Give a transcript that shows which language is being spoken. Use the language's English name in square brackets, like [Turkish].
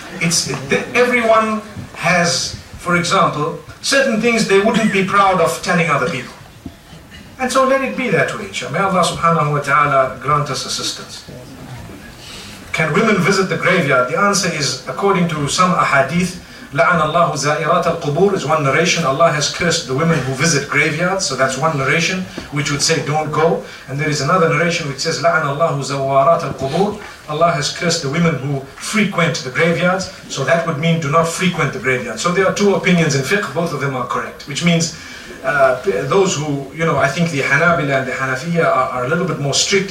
[English] It's everyone has, for example, certain things they wouldn't be proud of telling other people. And so let it be that way. May Allah subhanahu wa ta'ala grant us assistance. Can women visit the graveyard? The answer is, according to some ahadith, [Arabic] لعن الله زائرات القبور [English] is one narration. Allah has cursed the women who visit graveyards. So that's one narration which would say don't go. And there is another narration which says [Arabic] لعن الله زوارات القبور. [English] Allah has cursed the women who frequent the graveyards. So that would mean do not frequent the graveyards. So there are two opinions in fiqh. Both of them are correct. Which means those who, you know, I think the Hanabila and the Hanafiya are a little bit more strict.